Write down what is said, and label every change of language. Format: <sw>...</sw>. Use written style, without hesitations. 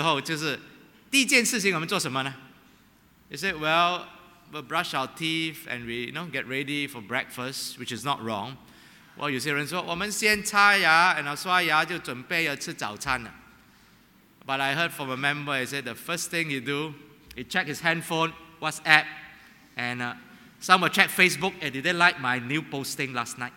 <zh>你知道我们每次早上起来的时候，就是第一件事情我们做什么呢？</zh> <en>You say, well, we'll brush our teeth and we, you know, get ready for breakfast, which is not wrong.</en> <zh>Well, 有些人说，我们先刷牙，然后刷牙就准备要吃早餐了。</zh> <en>But I heard from a member, he said the first thing he do, he check his handphone, WhatsApp, and some will check Facebook, and did they like my new posting last night?</en>